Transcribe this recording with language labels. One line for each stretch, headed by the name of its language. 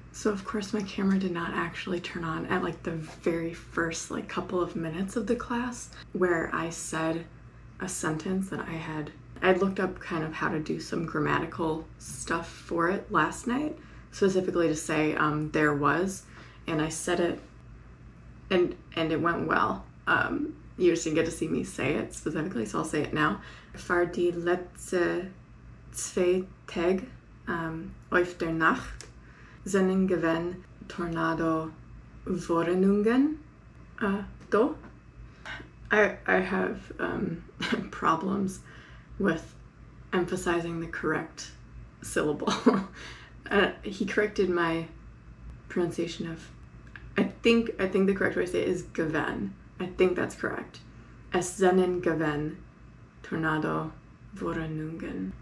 English: So of course my camera did not actually turn on at like the very first like couple of minutes of the class where I said a sentence that I'd looked up kind of how to do some grammatical stuff for it last night, specifically to say there was, and I said it and it went well. You just didn't get to see me say it specifically, so I'll say it now.
German: Für die letzte zwei Tage auf der Nacht sind gewesen Tornado Vorrenungen do.
English: I have problems with emphasizing the correct syllable. he corrected my pronunciation of, I think the correct way to say it is gewesen. I think that's correct.
German: Es sind gewesen Tornado Vorrenungen.